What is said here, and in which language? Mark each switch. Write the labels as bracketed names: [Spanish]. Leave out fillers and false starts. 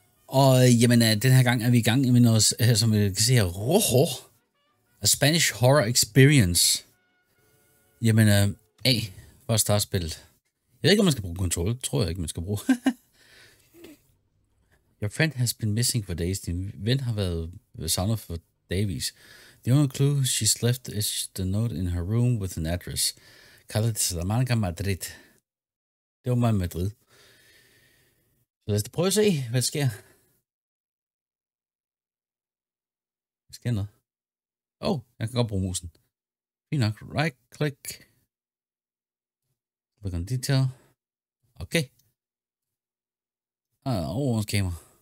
[Danish] Og jamen, den her gang er vi i gang med noget, som vi kan se her, Rojo. A Spanish Horror Experience. Jamen, hvor er startspillet? Jeg ved ikke, om man skal bruge kontrol. Tror jeg ikke, man skal bruge. [English] Your friend has been missing for days. [Danish] Din ven har været savnet for Davies. [English] The only clue she's left is the note in her room with an address. [Danish] Calle de Salamanca, Madrid. Det var mig i Madrid. Så lad os da prøve at se, hvad der sker. Der sker noget. Oh, jeg kan godt bruge musen. Fint nok. [English] Right click. Click on detail. [Danish] Okay. Over vores kamera.